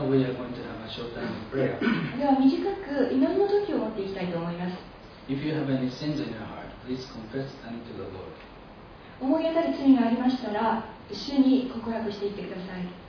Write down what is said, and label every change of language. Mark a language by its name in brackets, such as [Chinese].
[English] Now we are going to have a short time of prayer. [Japanese] では短く祈りの時を持っていきたいと思います。 [English] If you have any sins in your heart, please confess them to the Lord. [Japanese] 思い当たる罪がありましたら、主に告白していってください。